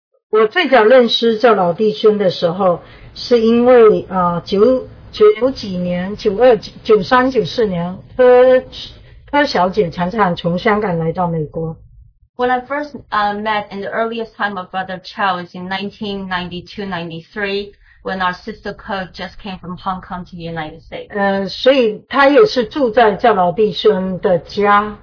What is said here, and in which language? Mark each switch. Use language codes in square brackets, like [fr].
[zh] 我最早认识教老弟兄的时候，是因为九几年，九二、九三、九四年，柯小姐常常从香港来到美国。 [en] When I first met in the earliest time of Brother Chow is in 1992-93, when our sister Ko just came from Hong Kong to the United States. [zh] 所以她也是住在教老弟兄的家。